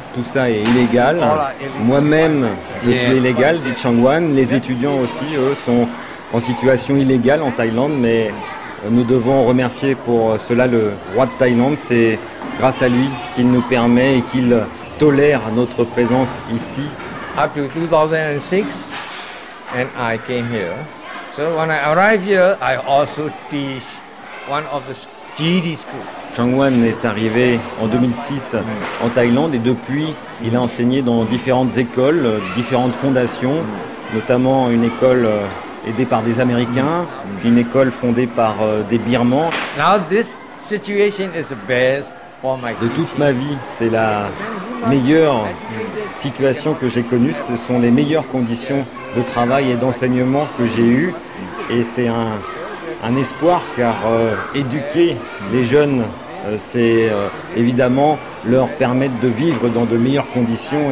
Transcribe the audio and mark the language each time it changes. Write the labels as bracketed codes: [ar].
[fr] Tout ça est illégal. Moi-même, je suis illégal, dit Changwan. Les étudiants aussi, eux, sont en situation illégale en Thaïlande, mais nous devons remercier pour cela le roi de Thaïlande. C'est grâce à lui qu'il nous permet et qu'il tolère notre présence ici. [en] Up to 2006, and I came here. So when I arrive here, I also teach one of the GED school. [fr] Changwan est arrivé en 2006 en Thaïlande et depuis, il a enseigné dans différentes écoles, différentes fondations, notamment une école aidée par des Américains, puis une école fondée par des Birmans. [en] Now this situation is the best for my. [fr] De toute ma vie, c'est la meilleure situation que j'ai connue. Ce sont les meilleures conditions de travail et d'enseignement que j'ai eues. Et c'est un espoir car éduquer les jeunes, c'est évidemment leur permettre de vivre dans de meilleures conditions.